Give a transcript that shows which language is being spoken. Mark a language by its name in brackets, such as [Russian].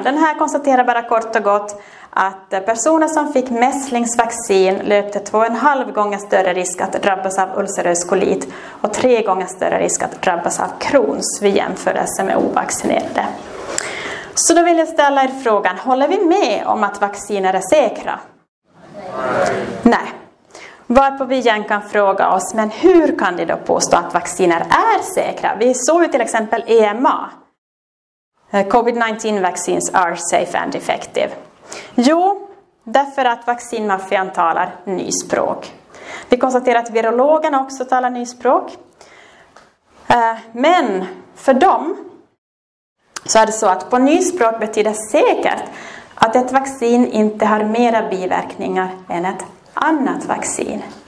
[Swedish] Den här konstaterar bara kort och gott att personer som fick mässlingsvaccin löpte 2,5 gånger större risk att drabbas av ulcerös kolit och 3 gånger större risk att drabbas av Crohns vid jämförelse med ovaccinerade. Så då vill jag ställa er frågan, håller vi med om att vacciner är säkra? Nej. Nej. Varpå vi igen kan fråga oss, men hur kan det då påstå att vacciner är säkra? Vi såg ju till exempel EMA. [English] COVID-19 vaccines are safe and effective. [Swedish] Jo, därför att vaccinmaffian talar nyspråk. Vi konstaterar att virologerna också talar nyspråk. Men för dem så är det så att på nyspråk betyder säkert att ett vaccin inte har mera biverkningar än ett annat vaccin.